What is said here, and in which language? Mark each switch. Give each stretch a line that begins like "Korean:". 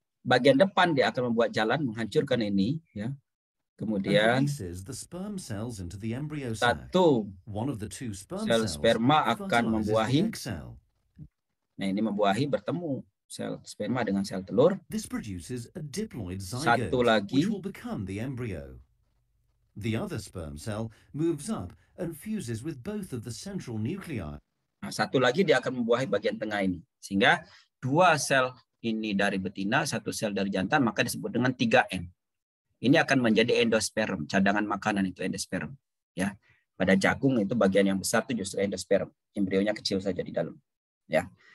Indonesian: Bagian depan dia akan membuat jalan menghancurkan ini, ya. Kemudian satu sel sperma akan membuahi. Nah, ini membuahi bertemu sel sperma dengan sel telur. Satu lagi
English: will become the embryo. The other sperm cell moves up and fuses with both of the central nuclei.
Indonesian: Nah, satu lagi dia akan membuahi bagian tengah ini. Sehingga dua sel ini dari betina, satu sel dari jantan, maka disebut dengan 3M. Ini akan menjadi endosperm, cadangan makanan itu endosperm, ya. Pada jagung itu bagian yang besar itu justru endosperm, embrionya kecil saja di dalam, ya.